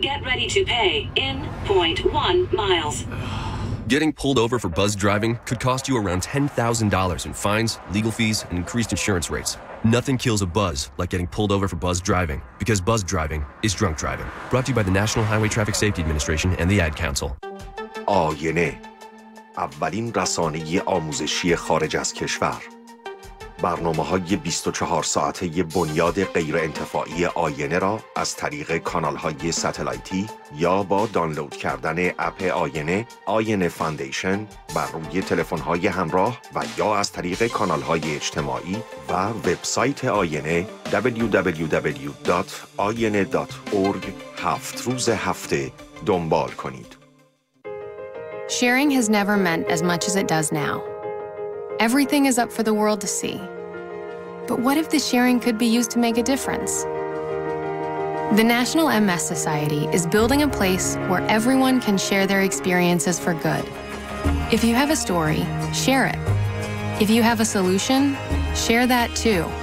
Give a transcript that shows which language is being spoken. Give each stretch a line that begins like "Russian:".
English: Get ready to pay in 0.1 miles. Getting pulled over for buzz driving could cost you around $10,000 in fines, legal fees, and increased insurance rates. Nothing kills a buzz like getting pulled over for buzz driving, because buzz driving is drunk driving. Brought to you by the National Highway Traffic Safety Administration and the Ad Council.
Persian: آینه، اولین رسانه‌ای آموزشی خارج از کشور. برنامه‌های 24 ساعته بنیاد غیرانتفاعی آینه را از طریق کانال‌های ساتلایتی یا با دانلود کردن اپ آینه، آینه فاندیشن بر روی تلفن‌های همراه و یا از طریق کانال‌های اجتماعی و وبسایت آینه www.ayene.org 7 روز هفته دنبال کنید.
English: Sharing has never meant as much as it does now. Everything is up for the world to see. But what if the sharing could be used to make a difference? The National MS Society is building a place where everyone can share their experiences for good. If you have a story, share it. If you have a solution, share that too.